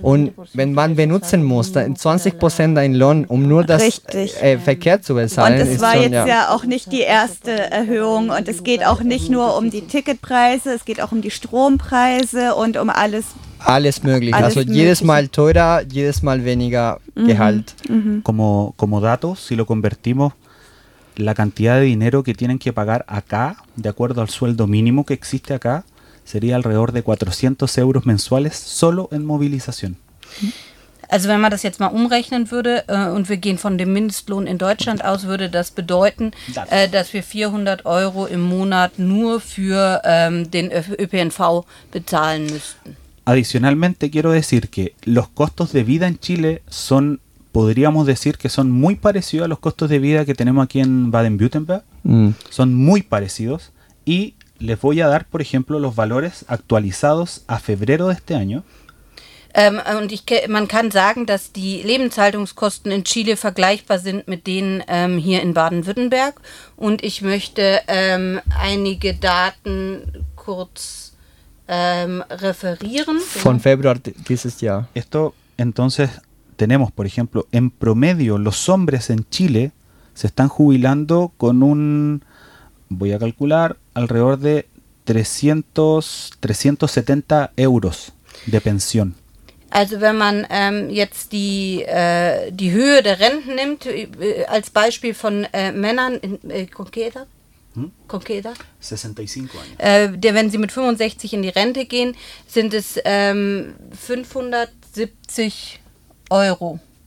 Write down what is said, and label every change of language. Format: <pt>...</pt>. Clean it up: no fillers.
<de>Und wenn man benutzen muss, dann 20% dein Lohn, um nur das Verkehr zu bezahlen. Und es war jetzt ja auch nicht die erste Erhöhung. Und es geht auch nicht nur um die Ticketpreise, es geht auch um die Strompreise und um alles. Alles mögliche. Also jedes Mal teurer, jedes Mal weniger Gehalt.</de> <es>Como datos, si lo convertimos. La cantidad de dinero que tienen que pagar acá, de acuerdo al sueldo mínimo que existe acá, sería alrededor de 400 euros mensuales solo en movilización.</es> <de>Also wenn man das jetzt mal umrechnen würde und wir gehen von dem Mindestlohn in Deutschland aus, würde das bedeuten, dass wir 400 Euro im Monat nur für den ÖPNV bezahlen müssten.</de> <es>Adicionalmente quiero decir que los costos de vida en Chile son, podríamos decir que son muy parecidos a los costos de vida que tenemos aquí en Baden-Württemberg. Mm. Son muy parecidos. Y les voy a dar, por ejemplo, los valores actualizados a febrero de este año.</es> <de>Und man kann sagen, dass die Lebenshaltungskosten in Chile vergleichbar sind mit denen hier in Baden-Württemberg. Und ich möchte einige Daten kurz referieren. Von Februar dieses Jahr.</de> <es>Esto, entonces, tenemos, por ejemplo, en promedio los hombres en Chile se están jubilando con un, voy a calcular, alrededor de 370 euros de pensión.</es> <de>Also wenn man jetzt die Höhe der Renten nimmt, als Beispiel von Männern,</de> <es>¿con qué edad? ¿Con qué edad? 65 años.</es> <de>Wenn sie mit 65 in die Rente gehen, sind es 570 Euro.</de>